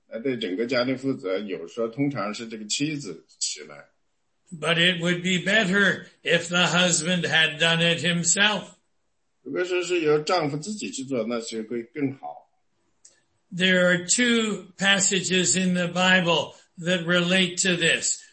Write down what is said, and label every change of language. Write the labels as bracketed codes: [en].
[en] But it would be better if the husband had done it himself. [zh] 如果是由丈夫自己去做，那就会更好。 [en] There are two passages in the Bible that relate to this.